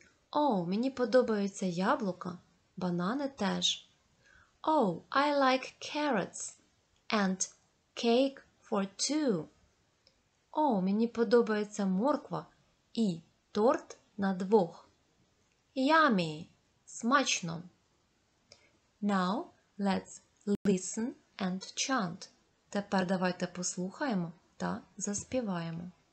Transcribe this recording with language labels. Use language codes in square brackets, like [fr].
[uk] Oh, мені подобаються яблука. Банани теж. [en] Oh, I like carrots. And cake for two. [uk] Oh, мені подобається морква і торт на двох. [en] Yummy! [uk] Смачно! [en] Now, let's listen and chant. [uk] Тепер давайте послухаємо та заспіваємо.